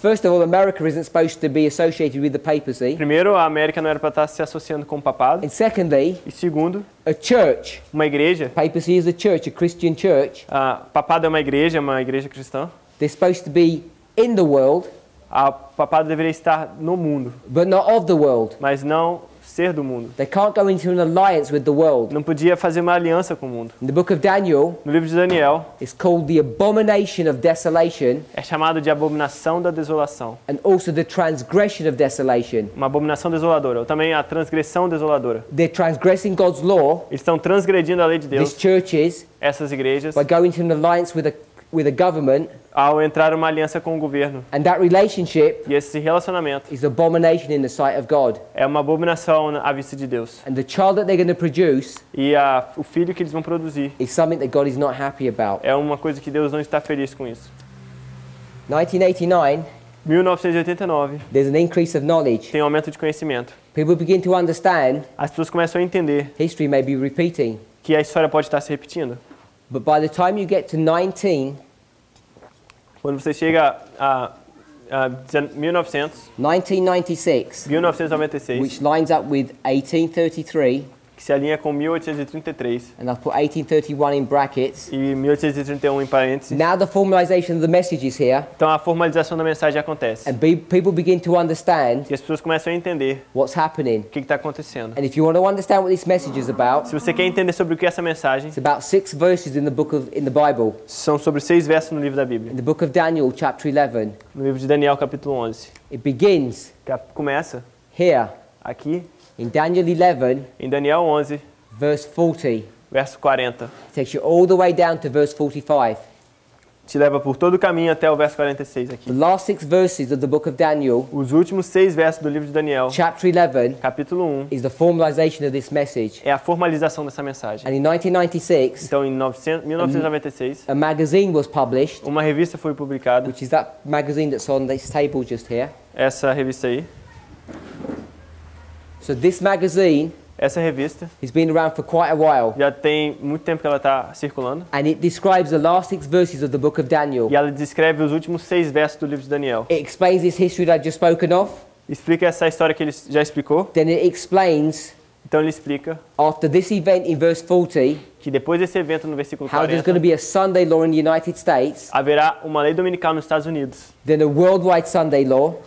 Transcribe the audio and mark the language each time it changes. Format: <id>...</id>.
<en>First of all, America isn't supposed to be associated with the papacy.</en> <pt>Primeiro, a América não era para estar se associando com o papado.</pt> <en>And secondly,</en> <pt>e segundo,</pt> <en>a church.</en> <pt>Uma igreja.</pt> <en>Papacy is a church, a Christian church.</en> <pt>Papado é uma igreja cristã.</pt> <en>They're supposed to be in the world.</en> <pt>O papado deveria estar no mundo.</pt> <en>But not of the world.</en> <pt>Mas não ser do mundo.</pt> <en>They can't go into an alliance with the world.</en> <pt>Não podia fazer uma aliança com o mundo.</pt> <en>In the book of Daniel,</en> <pt>no livro de Daniel,</pt> <en>it's called the abomination of desolation.</en> <pt>É chamado de abominação da desolação.</pt> <en>And also the transgression of desolation.</en> <pt>Uma abominação desoladora, ou também a transgressão desoladora.</pt> <en>They're transgressing God's law.</en> <pt>Eles estão transgredindo a lei de Deus.</pt> <en>These churches,</en> <pt>essas igrejas,</pt> <en>by going into an alliance with a government.</en> <pt>Ao entrar uma aliança com o governo.</pt> <en>And that relationship,</en> <pt>e esse relacionamento,</pt> <en>is abomination in the sight of God.</en> <pt>É uma abominação à vista de Deus.</pt> <en>And the child that they're going to produce,</en> <pt>e o filho que eles vão produzir,</pt> <en>is something that God is not happy about.</en> <pt>É uma coisa que Deus não está feliz com isso.</pt> <en>1989. There's an increase of knowledge.</en> <pt>Tem um aumento de conhecimento.</pt> <en>People begin to understand.</en> <pt>As pessoas começam a entender.</pt> <en>History may be repeating.</en> <pt>Que a história pode estar se repetindo.</pt> <en>But by the time you get to 19,</en> <pt>quando você chega a 1996,</pt> <en>which lines up with 1833,</en> <pt>que se alinha com 1833,</pt> <en>and I've put 1831 in brackets,</en> <pt>e 1831 em parênteses.</pt> <en>Now the formalization of the message is here.</en> <pt>Então a formalização da mensagem acontece.</pt> <en>And people begin to understand.</en> <pt>E as pessoas começam a entender.</pt> <en>What's happening?</en> <pt>O que está acontecendo?</pt> <en>And if you want to understand what this message is about,</en> <pt>se você quer entender sobre o que é essa mensagem,</pt> <en>it's about six verses in the Bible.</en> <pt>São sobre seis versos no livro da Bíblia.</pt> <en>In the book of Daniel, chapter 11.</en> <pt>No livro de Daniel, capítulo 11.</pt> <en>It begins.</en> <pt>Começa.</pt> <en>Here.</en> <pt>Aqui.</pt> <en>In Daniel 11.</en> <pt>Em Daniel 11.</pt> <en>Verse 40.</en> <pt>Verso 40.</pt> <en>It takes you all the way down to verse 45.</en> <pt>Te leva por todo o caminho até o verso 46 aqui.</pt> <en>The last six verses of the book of Daniel.</en> <pt>Os últimos seis versos do livro de Daniel.</pt> <en>Chapter 11.</en> <pt>Capítulo 1.</pt> <en>Is the formalization of this message.</en> <pt>É a formalização dessa mensagem.</pt> <en>And in 1996.</en> <pt>Então em 1996.</pt> <en>A magazine was published.</en> <pt>Uma revista foi publicada.</pt> <en>Which is that magazine that's on this table just here.</en> <pt>Essa revista aí.</pt> <en>So this magazine,</en> <pt>essa revista,</pt> <en>has been around for quite a while.</en> <pt>Já tem muito tempo que ela está circulando.</pt> <en>And it describes the last six verses of the book of Daniel.</en> <pt>E ela descreve os últimos seis versos do livro de Daniel.</pt> <en>It explains this history that I've just spoken of.</en> <pt>Explica essa história que ele já explicou.</pt> <en>Then it explains.</en> <pt>Então ele explica.</pt> <en>After this event in verse 40.</en> <pt>Que depois desse evento no versículo 40.</pt> <en>How there's going to be a Sunday law in the United States.</en> <pt>Haverá uma lei dominical nos Estados Unidos.</pt> <en>Then a worldwide Sunday law.</en>